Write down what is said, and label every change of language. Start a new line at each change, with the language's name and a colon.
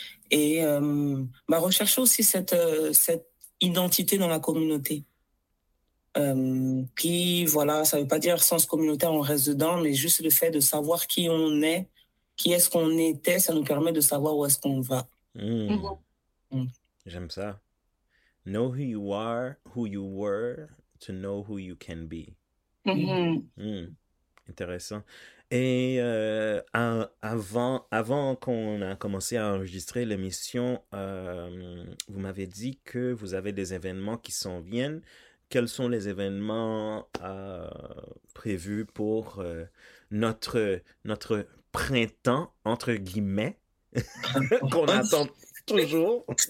French: Et rechercher aussi cette identité dans la communauté. Ça ne veut pas dire sens communautaire, on reste dedans, mais juste le fait de savoir qui on est, qui est-ce qu'on était, ça nous permet de savoir où est-ce qu'on va. J'aime ça.
English: Know who you are, who you were, to know who you can be.
French: Intéressant. Et avant qu'on a commencé à enregistrer l'émission, vous m'avez dit que vous avez des événements qui s'en viennent. Quels sont les événements prévus pour notre printemps, entre guillemets, qu'on attend toujours?